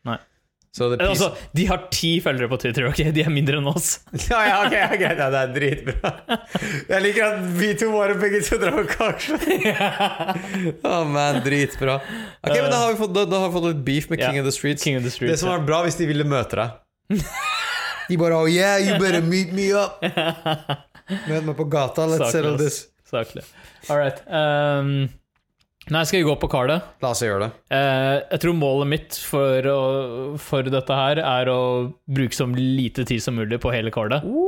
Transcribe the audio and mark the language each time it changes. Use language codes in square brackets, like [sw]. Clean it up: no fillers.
[no] Nei. So piece... Altså, de har 10 følgere på Twitter, ok? De er mindre enn oss. Ja, ok, ok, ja, det er dritbra. Jeg liker at vi to bare begge to drar på kaksen. Men dritbra. Ok, men da har vi fått litt beef med King of the Streets. King of the Streets. Det som var bra hvis de ville møte deg. De bare, [en] oh yeah, you better meet me up. [no] Møte meg på gata, [en] let's settle this. [no] Saklig. Alright. Nei, skal vi gå på kartet? La oss gjøre det. Jeg tror målet mitt for dette her er å bruke så lite tid som mulig på hele kartet.